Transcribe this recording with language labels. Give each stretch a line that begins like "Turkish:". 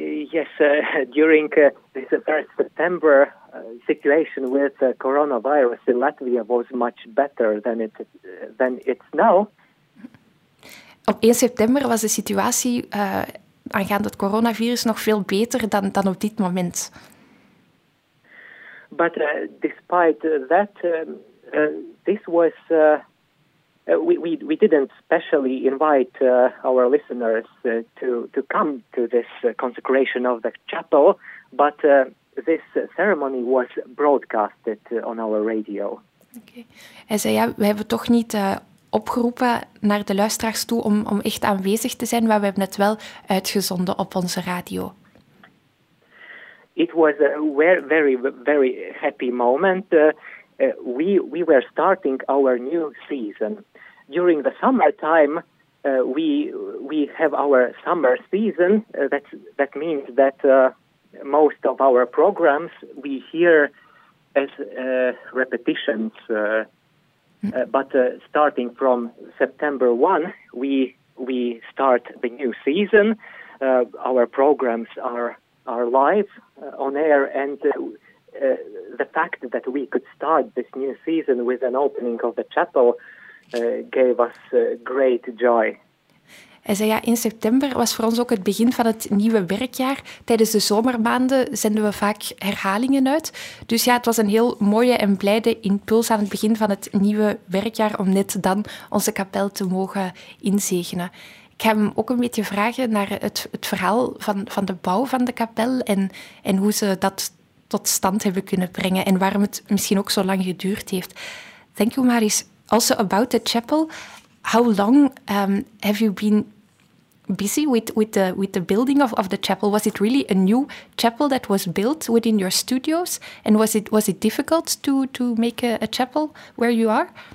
English: Yes, during this first September, situation with the coronavirus in Latvia was much better than it's now.
Dutch: Op 1 september was de situatie aangaande het coronavirus nog veel beter dan op dit moment.
English: But despite that, this was we didn't specially invite our listeners to come to this consecration of the chapel, but this ceremony was broadcasted on our radio. Okay.
Dutch: Hij zei, ja, we hebben toch niet opgeroepen naar de luisteraars toe om echt aanwezig te zijn, maar we hebben het wel uitgezonden op onze radio.
English: It was a very, very happy moment. We were starting our new season. During the summertime, we have our summer season. That means that most of our programs we hear as repetitions. But starting from September 1, we start the new season. Our programs are live on air, and the fact that we could start this new season with an opening of the chapel gave us great joy.
Dutch: Hij zei, ja, in september was voor ons ook het begin van het nieuwe werkjaar. Tijdens de zomermaanden zenden we vaak herhalingen uit. Dus ja, het was een heel mooie en blijde impuls aan het begin van het nieuwe werkjaar om net dan onze kapel te mogen inzegenen. Ik ga hem ook een beetje vragen naar het verhaal van de bouw van de kapel en hoe ze dat tot stand hebben kunnen brengen en waarom het misschien ook zo lang geduurd heeft.
English: Thank you, Maris. Also about the chapel, how long have you been busy with the building of the chapel? Was it really a new chapel that was built within your studios? And was it difficult to make a chapel where you are?